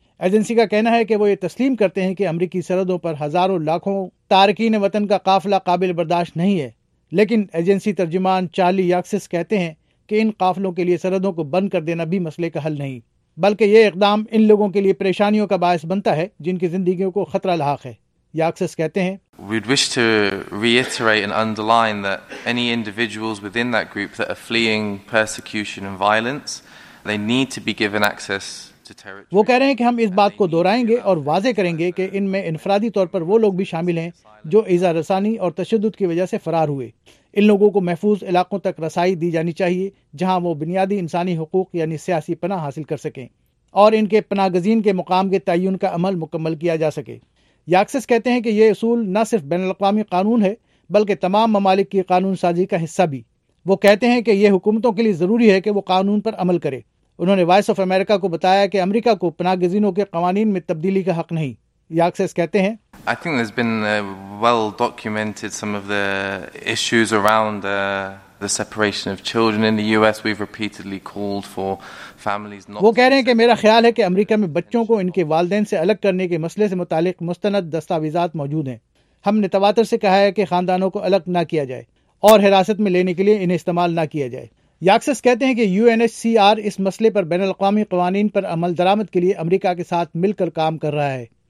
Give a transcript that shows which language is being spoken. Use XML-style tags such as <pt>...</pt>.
<ur>Agency کا کہنا ہے کہ وہ یہ تسلیم کرتے ہیں کہ امریکی سرحدوں پر ہزاروں لاکھوں تارکین وطن کا قافلہ قابل برداشت نہیں ہے, لیکن ایجنسی ترجمان چارلی یاکسس کہتے ہیں کہ ان قافلوں کے لیے سرحدوں کو بند کر دینا بھی مسئلے کا حل نہیں, بلکہ یہ اقدام ان لوگوں کے لیے پریشانیوں کا باعث بنتا ہے جن کی زندگیوں کو خطرہ لاحق ہے. یاکسس کہتے ہیں,</ur> <en>We'd wish to reiterate and underline that any individuals within that group that are fleeing persecution and violence, they need to be given access.</en> <ur>وہ کہہ رہے ہیں کہ ہم اس بات کو دہرائیں گے اور واضح کریں گے کہ ان میں انفرادی طور پر وہ لوگ بھی شامل ہیں جو اذیت رسانی اور تشدد کی وجہ سے فرار ہوئے. ان لوگوں کو محفوظ علاقوں تک رسائی دی جانی چاہیے جہاں وہ بنیادی انسانی حقوق یعنی سیاسی پناہ حاصل کر سکیں اور ان کے پناہ گزین کے مقام کے تعین کا عمل مکمل کیا جا سکے. یاکسس کہتے ہیں کہ یہ اصول نہ صرف بین الاقوامی قانون ہے بلکہ تمام ممالک کی قانون سازی کا حصہ بھی. وہ کہتے ہیں کہ یہ حکومتوں کے لیے ضروری ہے کہ وہ قانون پر عمل کرے. انہوں نے وائس آف امریکہ کو بتایا کہ امریکہ کو پناہ گزینوں کے قوانین میں تبدیلی کا حق نہیں. یاکسس کہتے ہیں,</ur> <en>I think there's been well documented some of the issues around the separation of children in the US. We've repeatedly called for families not.</en> <ur>وہ کہہ رہے ہیں کہ میرا خیال ہے کہ امریکہ میں بچوں کو ان کے والدین سے الگ کرنے کے مسئلے سے متعلق مستند دستاویزات موجود ہیں. ہم نے تواتر سے کہا ہے کہ خاندانوں کو الگ نہ کیا جائے اور حراست میں لینے کے لیے انہیں استعمال نہ کیا جائے. یاکسس کہتے ہیں کہ UNHCR اس مسئلے پر بین الاقوامی قوانین پر عمل درآمد کے لیے امریکہ کے ساتھ مل کر کام کر رہا ہے.</ur>